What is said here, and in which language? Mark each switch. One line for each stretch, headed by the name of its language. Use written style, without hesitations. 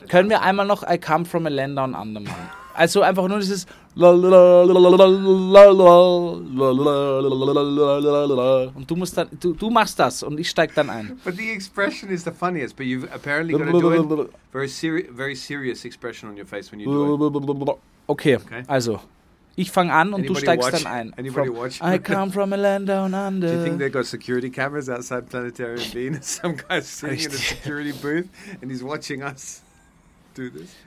German: Können wir einmal noch
English: I come from a land down under
German: machen? Also einfach nur dieses. Und du musst dann, du machst das und ich steig dann ein.
English: But the expression is the funniest, but you've apparently got to do it. Very serious expression on your face when you do it.
German: Okay, also ich fange an und du steigst dann ein.
English: Anybody watch? I come from a land down under. Do you think they've got security cameras outside Planetarium Bean? Some guy's sitting in a security booth and he's watching us do this.